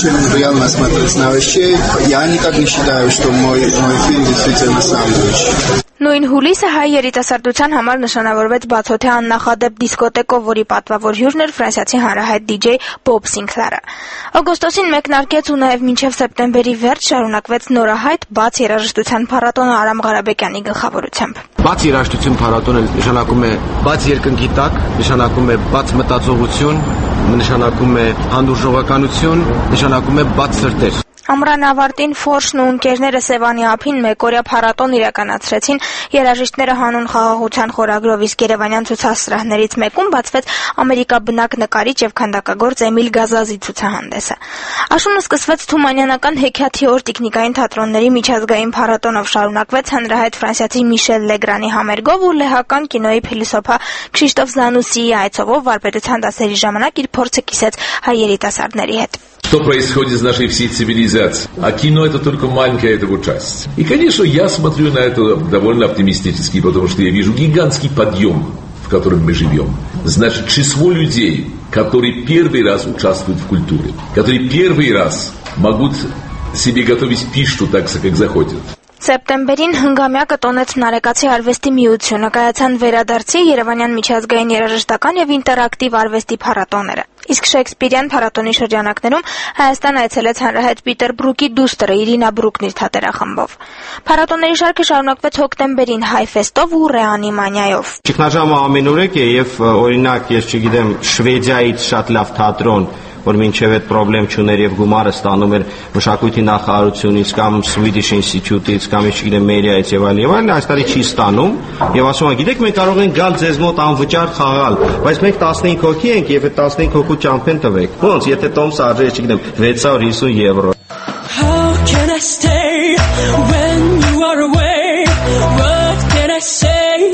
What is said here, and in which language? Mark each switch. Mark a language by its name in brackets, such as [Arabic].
[Russian] Я никак не считаю, что мой фильм действительно самый лучший. [Armenian] Նույն հուլիսը հայ երիտասարդության համար նշանավորվեց բացօթյա աննախադեպ դիսկոտեկով, որի պատվավոր հյուրն էր ֆրանսիացի հանրահայտ դիջեյ Բոբ Սինկլարը։ Օգոստոսին մեկնարկեց ու նաև մինչև սեպտեմբերի վերջ շարունակվեց նորահայտ բաց երաժշտության փառատոնը Արամ Ղարաբեկյանի գլխավորությամբ։ Բաց երաժշտություն փառատոնը նշանակում է բաց երկնքի տակ, նշանակում է բաց մտածողություն, նշանակում է հանդուրժողականություն, նշանակում է բաց սրտեր։ Ամրան ավարտին Ֆորշն ու ընկերները Սևանի ափին մեկօրյա փառատոն իրականացրեցին։ Երաժիշտները հանուն խաղաղության խորագրով, իսկ Երևանյան ցուցասրահներից մեկում բացվեց ամերիկաբնակ նկարիչ եւ քանդակագործ Էմիլ Գազազի ցուցահանդեսը։ Աշունը սկսվեց Թումանյանական Հեքիաթի օր տիկնիկային թատրոնների միջազգային փառատոնով, շարունակվեց հանրահայտ ֆրանսիացի Միշել Լեգրանի համերգով ու լեհական կինոյի փիլիսոփա Քրիստոֆ Զանուսիի այցովով վարպետության դասերի ժամանակ իր փորձը կիսեց հայ երիտասարդների հետ։ [Russian] Что происходит с нашей всей цивилизацией? А кино это только маленькая его часть. И, конечно, я смотрю на это довольно оптимистически, потому что я вижу гигантский подъем, в котором мы живем. Значит, число людей, которые первый раз участвуют в культуре, которые первый раз могут себе готовить пищу так, как захотят. [Armenian] Սեպտեմբերին հնգամյակը տոնեց Նարեկացի արվեստի միությունը, կայացան վերադարձի Երևանյան միջազգային երաժշտական եւ ինտերակտիվ արվեստի փառատոները։ Իսկ Շեքսպիրյան փառատոնի շրջանակներում Հայաստան այցելեց հանրահայտ Պիտեր Բրուկի դուստրը Իրինա Բրուկնի թատերախմբով։ Փառատոների շարքը շարունակվեց հոկտեմբերին Հայֆեստով ու Ռեանիմանիայով։ Ճգնաժամը ամենուրեք է եւ օրինակ ես չգիտեմ Շվեդիայից շատ լավ թատրոն, որ մինչև այդ պրոբլեմ չուներ եւ գումարը ստանում էր մշակույթի նախարարությունից կամ Swedish Institute-ից կամ ինչ գիտեմ Մերիայից եւ այլն, այս տարի չի ստանում եւ ասում են, գիտեք, մենք կարող ենք գալ ձեզ մոտ անվճար խաղալ, բայց մենք 15 հոգի ենք եւ այդ 15 հոգու ճամփեն տվեք։ Ոնց, եթե տոմս արժի, ինչ գիտեմ, 650 եվրո։ [English] How can I stay when you are away? What can I say?